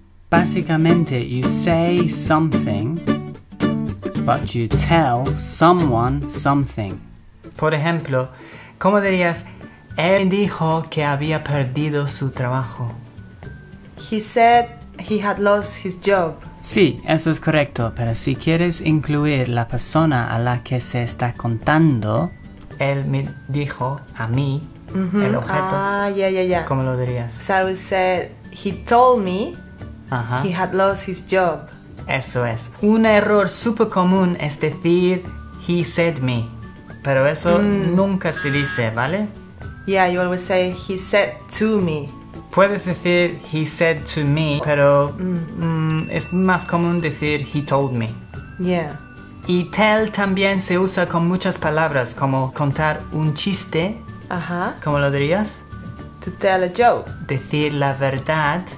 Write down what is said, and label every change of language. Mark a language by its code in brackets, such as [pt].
[en] Básicamente, you say something, but you tell someone something. [es] Por ejemplo, ¿cómo dirías, él dijo que había perdido su trabajo? [en] He said he had lost his job. [es] Sí, eso es correcto, pero si quieres incluir la persona a la que se está contando, él me dijo a mí, el objeto. [en] Ah, yeah, yeah, yeah. [es] ¿Cómo lo dirías? [en] So I would say, he told me he had lost his job. [es] Eso es. Un error súper común es decir, [en] he said me. [es] Pero eso nunca se dice, ¿vale? [en] Yeah, you always say, he said to me. [es] Puedes decir, [en] he said to me, [es] pero es más común decir, [en] he told me. Yeah. [es] Y tell también se usa con muchas palabras, como contar un chiste. Ajá. ¿Cómo lo dirías? [en] To tell a joke. [es] Decir la verdad.